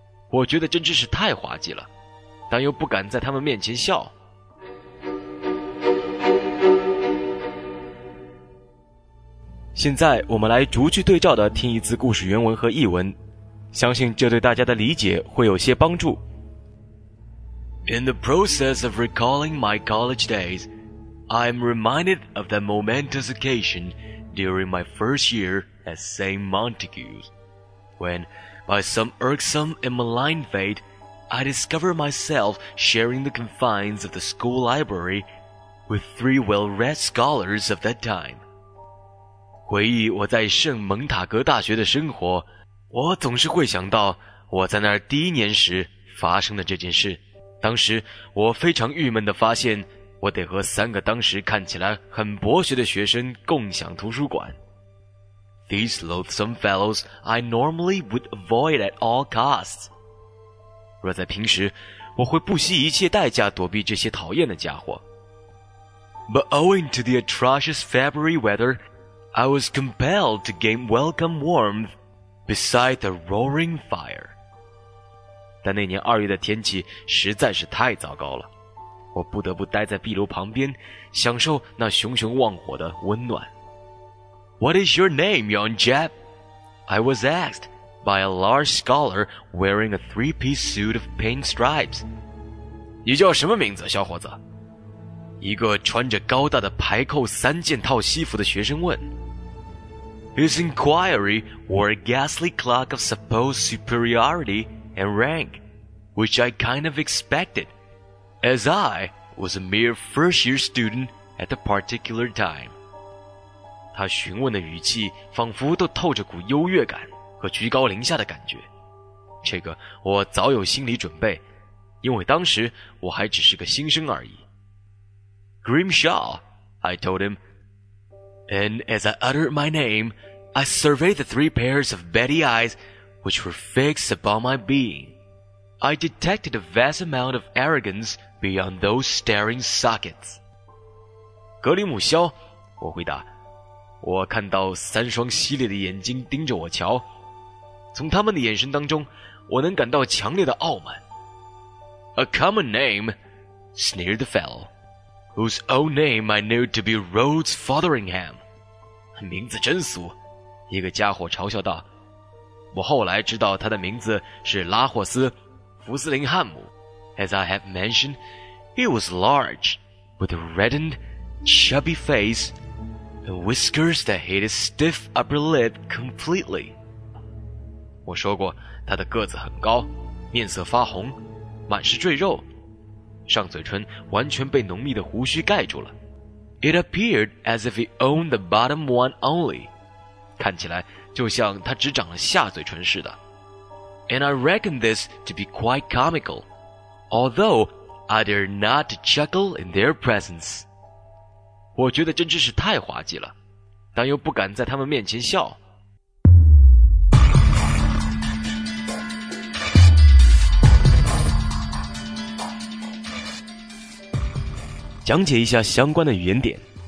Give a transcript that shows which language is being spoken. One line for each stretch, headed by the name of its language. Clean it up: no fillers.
Chinese: 我觉得真真是太滑稽了，但又不敢在他们面前笑。现在我们来逐句对照的听一次故事原文和译文，相信这对大家的理解会有些帮助。
English: In the process of recalling my college days,I am reminded of that momentous occasion during my first year at St. Montague's, when, by some irksome and malign fate, I discovered myself sharing the confines of the school library with three well-read scholars of that time.
Chinese: 回忆我在圣蒙塔格大学的生活，我总是会想到我在那儿第一年时发生的这件事。当时我非常郁闷地发现我得和三个当时看起来很博学的学生共享图书馆。
English: These loathsome fellows I normally would avoid at all costs.
Chinese: 若在平时，我会不惜一切代价躲避这些讨厌的家伙。
English: But owing to the atrocious February weather, I was compelled to gain welcome warmth beside the roaring fire.
Chinese: 但那年二月的天气实在是太糟糕了，我不得不待在壁炉旁边，享受那熊熊旺火的温暖。
English: What is your name, young chap? I was asked by a large scholar wearing a three-piece suit of pink stripes.
Chinese: 你叫什么名字，小伙子？一个穿着高大的排扣三件套西服的学生问。
English: His inquiry wore a ghastly clock of supposed superiority and rank, which I kind of expected, as I was a mere first-year student at the particular time.
Chinese: 他询问的语气仿佛都透着股优越感和居高临下的感觉。这个我早有心理准备，因为当时我还只是个新生而已。
English: Grimshaw, I told him, and as I uttered my name, I surveyed the three pairs of beady eyes which were fixed upon my being. I detected a vast amount of arrogance beyond those staring sockets.
Chinese: 格里姆肖，我回答，我看到三双犀利的眼睛盯着我瞧，从他们的眼神当中，我能感到强烈的傲慢。
English: A common name, sneered the fellow. Whose own name I knew to be Rhodes Fotheringham.
Chinese: 名字真俗，一个家伙嘲笑道。我后来知道他的名字是拉霍斯·福斯林汉姆。
English: As I have mentioned, he was large, with a reddened, chubby face, and whiskers that hid his stiff upper lip completely.
Chinese: 我说过，他的个子很高，面色发红，满是赘肉。上嘴唇完全被浓密的胡须盖住了。
English: It appeared as if he owned the bottom one only.
Chinese: 看起来就像他只长了下嘴唇似的。
English: And I reckon this to be quite comical, although I dare not to chuckle in their presence.
Chinese: 我觉得真真是太滑稽了，但又不敢在他们面前笑。讲解一下相关的语言点。